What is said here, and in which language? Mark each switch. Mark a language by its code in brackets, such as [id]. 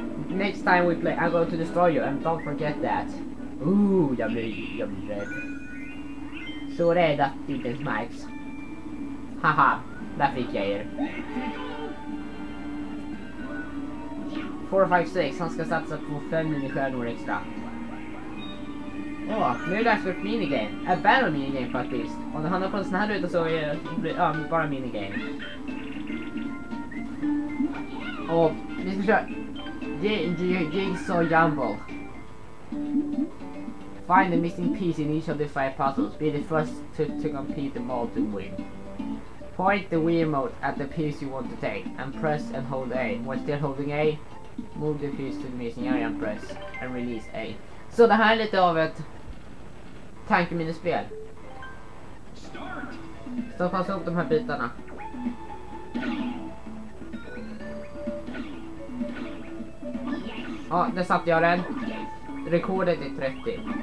[en] Next time we play, I'm going to destroy you and don't forget that. [sv] Ooh, jag blir rädd. Så rädd att det inte ens märks. Haha, där fick jag er. 4, 5, 6, han ska satsa på 5 minisjärnor extra. Åh, nu är det dags för ett minigame. [en] A battle minigame [sv] faktiskt. Om du handlar på en sån här ruta så är det bara minigame. Och vi ska köra Jigsaw Jumble. [en] Find the missing piece in each of the 5 puzzles. Be the first to complete them all to win. Point the Wii remote at the piece you want to take and press and hold A. While still holding A, move the piece to the missing area and press and release A. [sv] Så det här är lite av ett tankeminnespel. Start. Stoppa ihop de här bitarna. Ja, där satt jag den. Rekordet är 30.